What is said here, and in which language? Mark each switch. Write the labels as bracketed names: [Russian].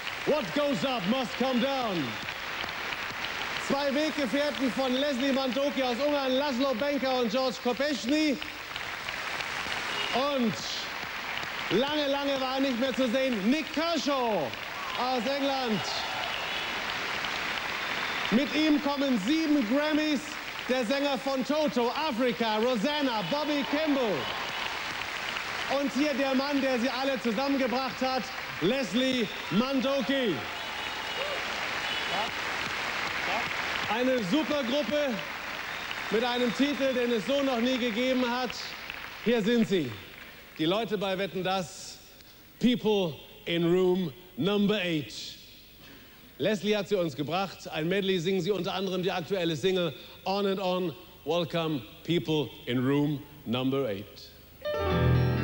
[English] What goes up must come down. [German] Zwei Weggefährten von Leslie Mandoki aus Ungarn, Laszlo Benka und George Kopechny. Und lange, lange war er nicht mehr zu sehen, Nick Kershaw aus England. Mit ihm kommen 7 Grammys, der Sänger von Toto, Africa, Rosanna, Bobby Kimball. Und hier der Mann, der sie alle zusammengebracht hat, Leslie Mandoki. Eine Supergruppe mit einem Titel, den es so noch nie gegeben hat. Hier sind sie, die Leute bei Wetten, dass People in Room Number 8. Leslie hat sie uns gebracht. Ein Medley singen sie unter anderem die aktuelle Single On and On. [English] Welcome, People in Room Number 8.